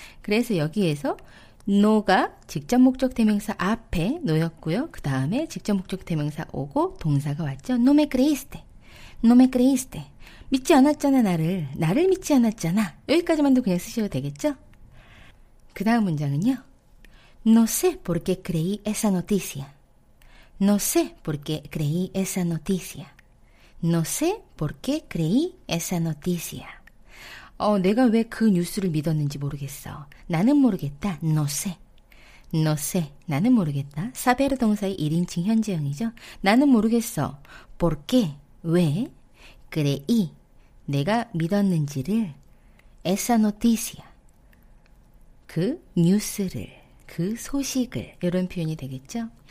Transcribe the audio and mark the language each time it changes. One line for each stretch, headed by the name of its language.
Korean: 그래서 여기에서 no가 직접 목적 대명사 앞에 놓였고요. 그 다음에 직접 목적 대명사 오고 동사가 왔죠.
Spanish: No me creíste. No me creíste.
Korean: 믿지 않았잖아, 나를. 나를 믿지 않았잖아. 여기까지만도 그냥 쓰셔도 되겠죠? 그 다음 문장은요.
Spanish: No sé por qué creí esa noticia. No sé por qué creí esa noticia. No sé por qué creí esa noticia.
Korean: 내가 왜 그 뉴스를 믿었는지 모르겠어. 나는 모르겠다.
Spanish: No sé. No sé.
Korean: 나는 모르겠다. saber 동사의 1인칭 현재형이죠. 나는 모르겠어.
Spanish: ¿Por qué?
Korean: 왜?
Spanish: creí,
Korean: 내가 믿었는지를,
Spanish: esa noticia,
Korean: 그 뉴스를, 그 소식을, 이런 표현이 되겠죠?